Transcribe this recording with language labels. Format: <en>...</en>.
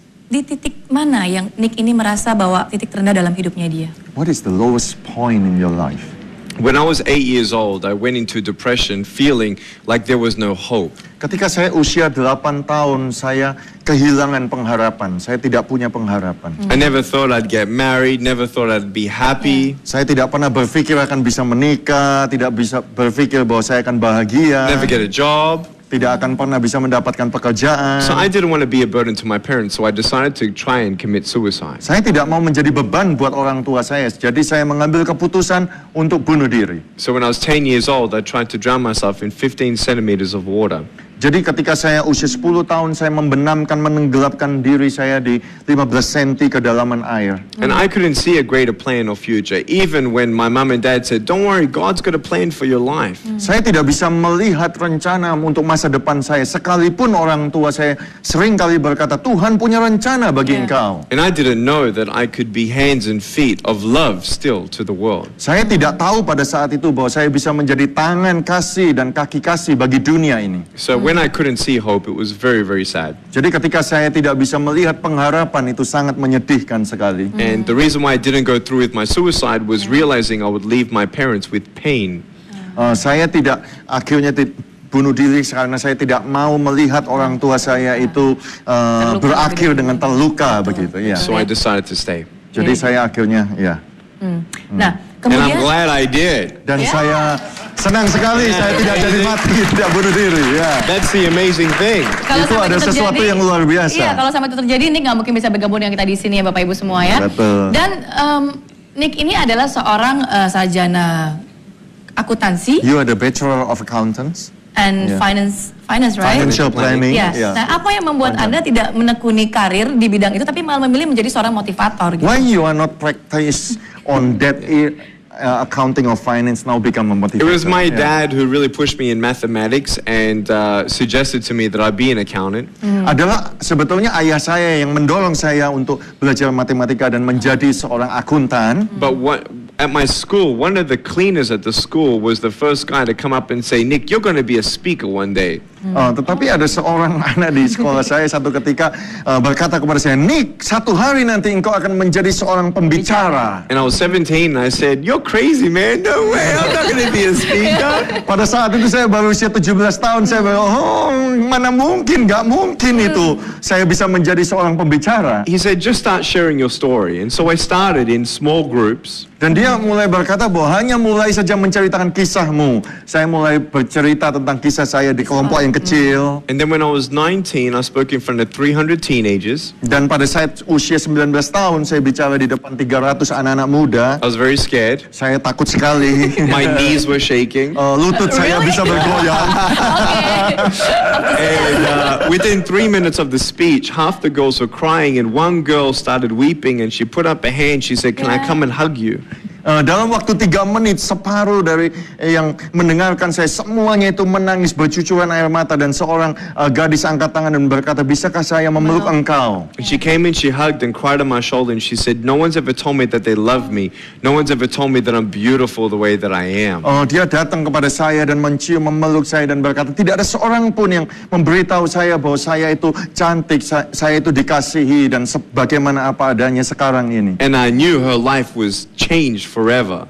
<id>Di titik mana yang Nick ini merasa bahwa titik terendah dalam hidupnya dia?</id> <en>What is the lowest point in your life? When I was 8 years old, I went into depression feeling like there was no hope.</en> <id>Ketika saya usia 8 tahun, saya kehilangan pengharapan. Saya tidak punya pengharapan.</id> <en>I never thought I'd get married, never thought I'd be happy.</en> <id>Saya tidak pernah berpikir akan bisa menikah, tidak bisa berpikir bahwa saya akan bahagia.</id> <en>Never get a job.</en> <id>Tidak akan pernah bisa mendapatkan pekerjaan.</id> <en>So I didn't want to be a burden to my parents, so I decided to try and commit suicide.</en> <id>Saya tidak mau menjadi beban buat orang tua saya, jadi saya mengambil keputusan untuk bunuh diri.</id> <en>So when I was 10 years old, I tried to drown myself in 15 centimeters of water.</en> <id>Jadi ketika saya usia 10 tahun, saya membenamkan, menenggelapkan diri saya di 15 cm kedalaman air.</id> <en>And I couldn't see a greater plan or future, even when my mom and dad said, don't worry, God's got a plan for your life.</en> <id>Saya tidak bisa melihat rencana untuk masa depan saya, sekalipun orang tua saya sering kali berkata, Tuhan punya rencana bagi engkau.</id> <en>And I didn't know that I could be hands and feet of love still to the world.</en> <id>Saya tidak tahu pada saat itu bahwa saya bisa menjadi tangan kasih dan kaki kasih bagi dunia ini.</id> <en>So when I couldn't see hope, it was very, very sad.</en> <id>Jadi ketika saya tidak bisa melihat pengharapan, itu sangat menyedihkan sekali.</id> <en>And the reason why I didn't go through with my suicide was realizing I would leave my parents with pain.</en> <id>Saya tidak akhirnya bunuh diri karena saya tidak mau melihat orang tua saya itu berakhir dengan terluka begitu. Yeah.</id> <en>So I decided to stay.</en> <id>Jadi saya akhirnya,</id> <en>And I'm glad I did.</en> <id>Dan saya senang sekali saya tidak jadi mati, tidak bunuh diri.</id> <en>That's the amazing thing.</en> <id>Kalau itu ada sesuatu terjadi, yang luar biasa. Iya, kalau sampai itu terjadi, Nick nggak mungkin bisa bergabung dengan kita di sini ya, Bapak Ibu semua ya. Betul. Dan Nick ini adalah seorang sarjana akuntansi.</id> <en>You are the Bachelor of Accountants. And finance, right? Financial planning.</en> <id>Nah, apa yang membuat Anda tidak menekuni karir di bidang itu, tapi malah memilih menjadi seorang motivator? Gitu?</id> <en>Why you are not practice on that accounting or finance now become a motivator? It was my dad who really pushed me in mathematics and suggested to me that I be an accountant.</en> <id>Adalah sebetulnya ayah saya yang mendorong saya untuk belajar matematika dan menjadi seorang akuntan.</id> <en>But what? At my school, one of the cleaners at the school was the first guy to come up and say, Nick, you're going to be a speaker one day.</en> <id>Tetapi ada seorang anak di sekolah saya satu ketika berkata kepada saya, Nick, satu hari nanti engkau akan menjadi seorang pembicara.</id> <en>And I was 17 and I said, you're crazy man, no way, I'm not going to be a speaker.</en> <id>Pada saat itu saya baru usia 17 tahun, saya bilang, oh, mana mungkin, gak mungkin itu saya bisa menjadi seorang pembicara.</id> <en>He said, just start sharing your story. And so I started in small groups.</en> <id>Dan dia mulai berkata bahwa hanya mulai saja menceritakan kisahmu. Saya mulai bercerita tentang kisah saya di kelompok yang kecil.</id> <en>And then when I was 19, I spoke in front of 300 teenagers.</en> <id>Dan pada saat usia 19 tahun, saya bicara di depan 300 anak-anak muda.</id> <en>I was very scared.</en> <id>Saya takut sekali.</id> <en>My knees were shaking.</en> <id>Lutut saya bisa bergoyang.</id> <en>And within 3 minutes of the speech, half the girls were crying and one girl started weeping and she put up a hand. She said, can I come and hug you?</en> <id>Dalam waktu 3 menit, separuh dari yang mendengarkan saya, semuanya itu menangis bercucuran air mata. Dan seorang gadis angkat tangan dan berkata, bisakah saya memeluk engkau?</id> <en>She came in, she hugged and cried on my shoulder and she said, no one's ever told me that they love me. No one's ever told me that I'm beautiful the way that I am.</en> <id>Dia datang kepada saya dan mencium, memeluk saya dan berkata, tidak ada seorang pun yang memberitahu saya bahwa saya itu cantik, saya itu dikasihi dan sebagaimana apa adanya sekarang ini.</id> <en>And I knew her life was changed forever.</en>